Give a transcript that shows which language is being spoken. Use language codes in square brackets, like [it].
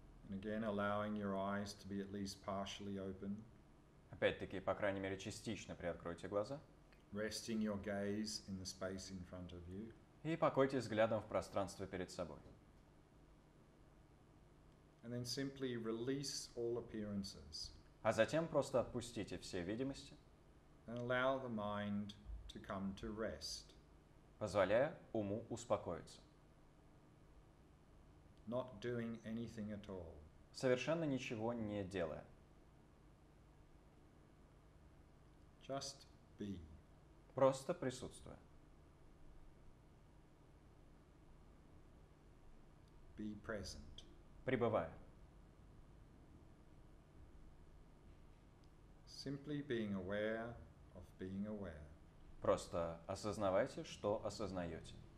[en] Again, allowing your eyes to be at least partially open. [ru] Опять-таки, по крайней мере, частично приоткройте глаза. [en] Resting your gaze in the space in front of you. [ru] И покойтесь взглядом в пространство перед собой. [en] And then simply release all appearances. [ru] А затем просто отпустите все видимости. [en] And allow the mind to come to rest. [ru] Позволяя уму успокоиться. [en] Not doing anything at all. [ru] Совершенно ничего не делая. [en] Just be. [ru] Просто присутствуя. [en] Be present. [ru] Пребывая. [en] Simply being aware of being aware. [ru] Просто осознавайте, что осознаете.